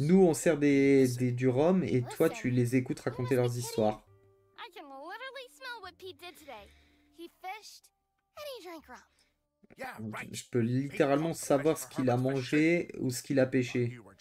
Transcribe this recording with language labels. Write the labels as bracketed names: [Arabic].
[French] Nous on sert du rhum et listen, toi tu les écoutes raconter leurs histoires. [English] I can literally smell what Pete did today. He fished and he drank rum. [French] Je peux littéralement savoir ce qu'il a mangé ou ce qu'il a pêché.